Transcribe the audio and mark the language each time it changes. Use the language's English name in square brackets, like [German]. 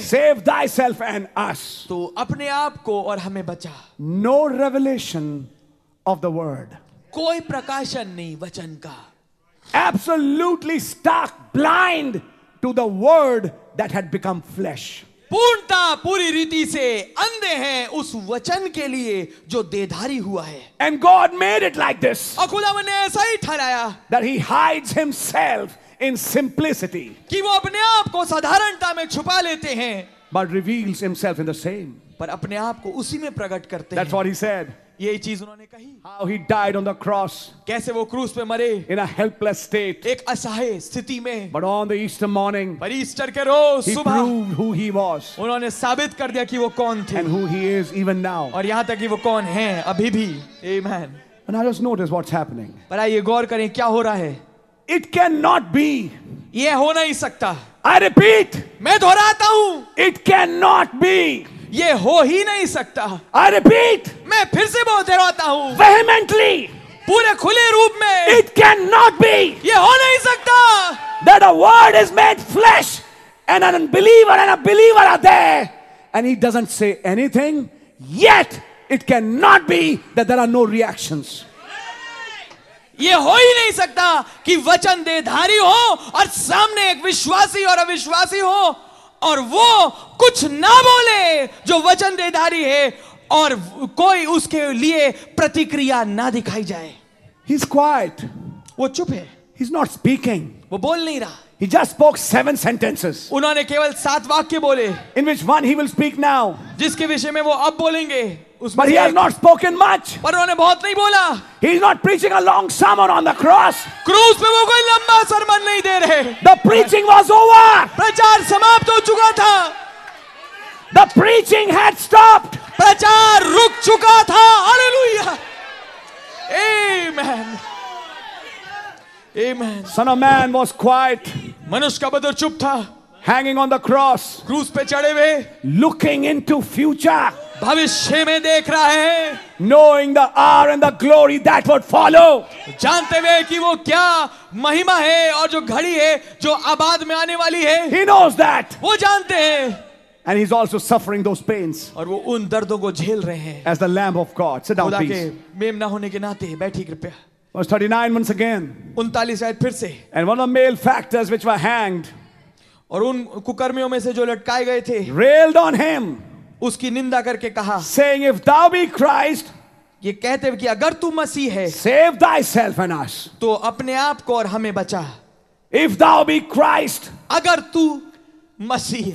[English] save thyself and us. [Hindi] तो अपने आप को और हमें बचा. [English] No revelation of the word. [Hindi] कोई प्रकाशन नहीं वचन का. [English] Absolutely stark blind to the word that had become flesh. [Hindi] पूर्णता पूरी रीति से अंधे हैं उस वचन के लिए जो देधारी हुआ है. [English] And God made it like this. [Hindi] और खुदा ने ऐसा ही ठहराया. [English] That he hides himself in simplicity. [Hindi] कि वो अपने आप को साधारणता में छुपा लेते हैं. [English] But reveals himself in the same. [Hindi] पर अपने आप को उसी में प्रकट करते हैं. [English] That's what he said. [Hindi] यही चीज उन्होंने कही. [English] How he died on the cross. [Hindi] कैसे वो क्रूस पे मरे. [English] In a helpless state. [Hindi] एक असहाय स्थिति में. [English] But on the Easter morning. [Hindi] पर ईस्टर के रोज सुबह. [English] He proved who he was. [Hindi] उन्होंने साबित कर दिया कि वो कौन थे. [English] And who he is even now. [Hindi] और यहां तक कि वो कौन है अभी भी. [English] Amen. And now just notice what's happening. [Hindi] पर आइए गौर करें क्या हो रहा है. [English] It cannot be. [Hindi] ये हो नहीं सकता. [English] I repeat. [Hindi] मैं दोहराता हूं. [English] It cannot be. [Hindi] ये हो ही नहीं सकता. [English] I repeat, [Hindi] मैं फिर से बोलते रहता हूं. [English] Vehemently, [Hindi] पूरे खुले रूप में. [English] It cannot be. [Hindi] ये हो नहीं सकता. [English] That a word is made flesh, and an unbeliever and a believer are there, and he doesn't say anything. Yet, it cannot be that there are no reactions. [Hindi] ये हो ही नहीं सकता कि वचन देधारी हो और सामने एक विश्वासी और अविश्वासी हो और वो कुछ ना बोले जो वचन देधारी है और कोई उसके लिए प्रतिक्रिया ना दिखाई जाए. [English] He's quiet. [Hindi] वो चुप है. [English] He's not speaking. [Hindi] वो बोल नहीं रहा. [English] He just spoke 7 sentences. [Hindi] उन्होंने केवल 7 वाक्य बोले. [English] In which one he will speak now. [Hindi] जिसके विषय में वो अब बोलेंगे. [English] But he has not spoken much. [Hindi] पर उन्होंने बहुत नहीं बोला. [English] He is not preaching a long sermon on the cross. [Hindi] क्रूस पे वो कोई लंबा सरमन नहीं दे रहे. [English] The preaching was over. [Hindi] प्रचार समाप्त हो चुका था. [English] The preaching had stopped. [Hindi] प्रचार रुक चुका था. Hallelujah. Amen. Amen. [English] Son of man was quiet. [Hindi] मनुष्य का बदर चुप था. [English] Hanging on the cross. [Hindi] क्रूस पे चढ़े हुए. [English] Looking into future. [Hindi] भविष्य में देख रहा है. [English] Knowing the hour and the glory that would follow. [Hindi] जानते हुए कि वो क्या महिमा है और जो घड़ी है जो आबाद में आने वाली है. [English] He knows that. [Hindi] वो जानते हैं. [English] And he's also suffering those pains. [Hindi] और वो उन दर्दों को झेल रहे हैं. [English] As the Lamb of God. Sit down, please. [Hindi] खुदा के मेमना होने के नाते बैठिए कृपया. [English] Verse 39 once again. [Hindi] 39 शायद फिर से. [English] And one of the male factors which were hanged. [Hindi] और उन कुकर्मियों में से जो लटकाए गए थे. [English] Railed on him. [Hindi] उसकी निंदा करके कहा. [English] Saying if thou be Christ. [Hindi] ये कहते हैं कि अगर तू मसीह है. [English] Save thyself and us. [Hindi] तो अपने आप को और हमें बचा. [English] If thou be Christ. [Hindi] अगर तू मसीह।